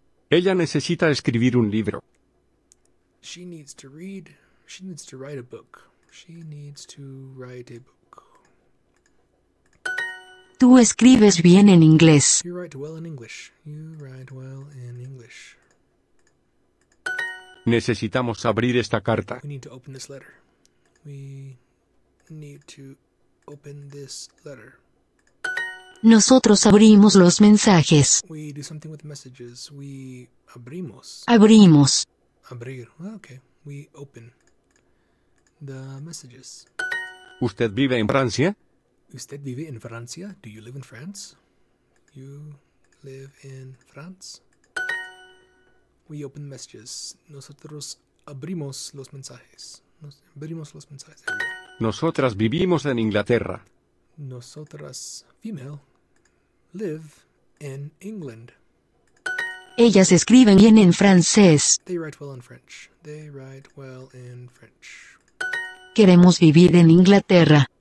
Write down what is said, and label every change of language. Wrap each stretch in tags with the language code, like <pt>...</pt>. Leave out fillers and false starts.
<es>Ella necesita escribir un libro.</es> <en>She needs to read. She needs to write a book. She needs to write a book.</en> <es>Tú escribes bien en inglés.</es> <en>You write well in English. You write well in English.</en> <es>Necesitamos abrir esta carta.</es> <en>We need to open this letter. We need to open this letter.</en> <es>Nosotros abrimos los mensajes.</es> <en>We do something with messages.</en> <es>We abrimos. Abrimos.</es> <en>Abrir. Okay. We open the messages.</en> <es>¿Usted vive en Francia? Usted vive en Francia?</es> <en>Do you live in France? You live in France? We open messages.</en> <es>Nosotros abrimos los mensajes. Nos abrimos los mensajes. Nosotras vivimos en Inglaterra.</es> <en>Nosotras, female, live in England.</en> <es>Ellas escriben bien en francés.</es> <en>They write well in French. They write well in French.</en> <es>Queremos vivir en Inglaterra.</es>